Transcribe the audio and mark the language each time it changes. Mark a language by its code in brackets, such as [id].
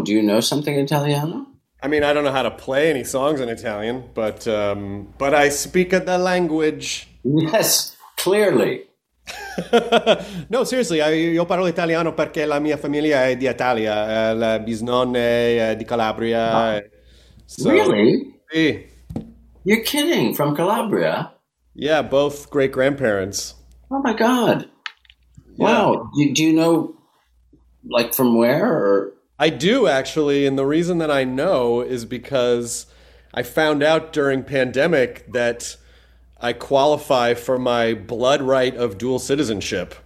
[en] Do you know something in Italiano? I mean, I don't know how to play any songs in Italian, but I speak the language. Yes, clearly. No, seriously, [it] io parlo italiano perché la mia famiglia è di Italia, la bisnonna è di Calabria. [en] So, really? [it] Sì. [en] You're kidding, from Calabria? Yeah, both great-grandparents. Oh my God. Yeah. Wow, do you know, like, from where? Or? I do, actually, and the reason that I know is because I found out during pandemic that I qualify for my blood right of dual citizenship.